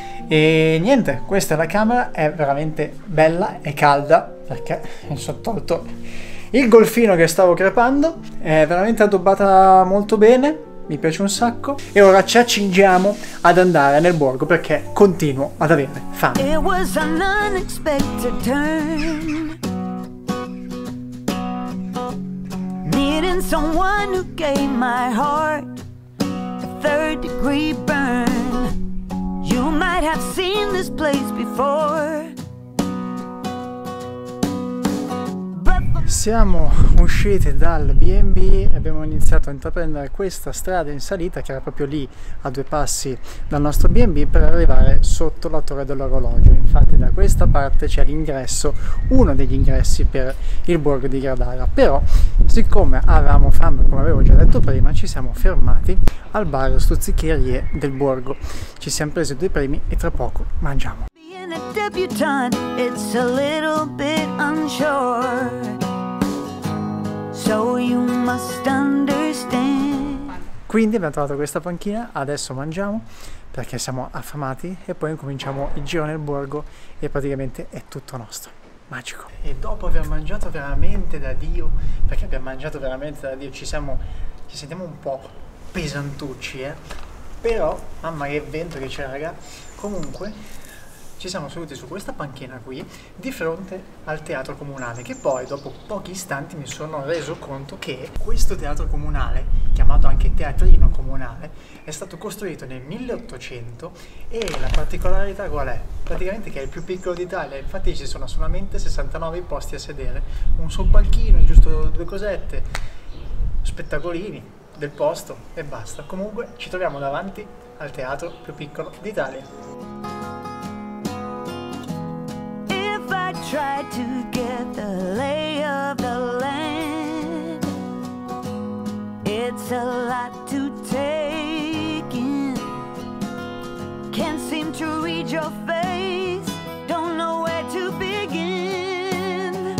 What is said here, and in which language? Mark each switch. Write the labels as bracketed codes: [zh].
[it] E niente, questa è la camera, è veramente bella e calda perché mi sono tolto il golfino che stavo crepando, è veramente addobbata molto bene, mi piace un sacco. E ora ci accingiamo ad andare nel borgo perché continuo ad avere fame. [en] It was an unexpected turn, meeting someone who gave my heart a third degree burn. You might have seen this place before. [it] Siamo usciti dal B&B e abbiamo iniziato a intraprendere questa strada in salita, che era proprio lì a due passi dal nostro B&B, per arrivare sotto la torre dell'orologio. Infatti da questa parte c'è l'ingresso, uno degli ingressi per il borgo di Gradara, però siccome avevamo fame, come avevo già detto prima, ci siamo fermati al bar stuzzicherie del borgo, ci siamo presi due primi e tra poco mangiamo. [en] Being a debutante, it's a little bit unsure. So you must understand. [it] Quindi abbiamo trovato questa panchina, adesso mangiamo perché siamo affamati e poi incominciamo il giro nel borgo e praticamente è tutto nostro, magico. E dopo aver mangiato veramente da Dio, perché abbiamo mangiato veramente da Dio, ci sentiamo un po' pesantucci, però mamma che vento che c'è, raga. Comunque ci siamo seduti su questa panchina qui di fronte al teatro comunale, che poi dopo pochi istanti mi sono reso conto che questo teatro comunale, chiamato anche teatrino comunale, è stato costruito nel 1800 e la particolarità qual è? Praticamente che è il più piccolo d'Italia, infatti ci sono solamente 69 posti a sedere, un soppalchino, giusto due cosette, spettacolini del posto e basta. Comunque ci troviamo davanti al teatro più piccolo d'Italia. [en] Try to get the lay of the land. It's a lot to take in. Can't seem to read your face. Don't know where to begin.